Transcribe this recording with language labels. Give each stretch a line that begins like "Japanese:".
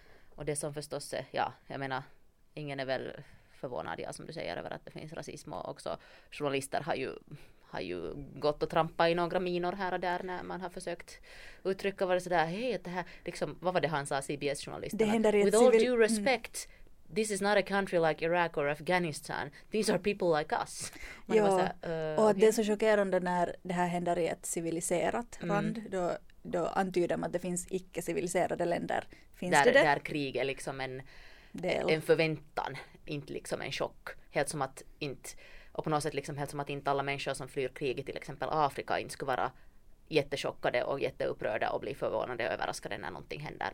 Swedish: Och det som förstås är, ja, jag menar, ingen är väl förvånad, ja, som du säger, över att det finns rasism, och också journalister har ju gått och trampat i några minor här och där när man har försökt uttrycka vad det är sådär, hej, det här, liksom, vad var det han sa, CBS-journalisten?
English: With all due respect, this is not a country like Iraq or Afghanistan. These are people like us.
Swedish: Ja, och det är så chockerande när det här händer i ett civiliserat land, då antyder man att det finns icke-civiliserade länder. Finns där, det där krig är liksom en förväntan, inte liksom en chock. Helt som att inte, och på något sätt liksom helt som att inte alla människor som flyr kriget, till exempel Afrika, inte skulle vara jättechockade och jätteupprörda och bli förvånade och överraskade när någonting händer.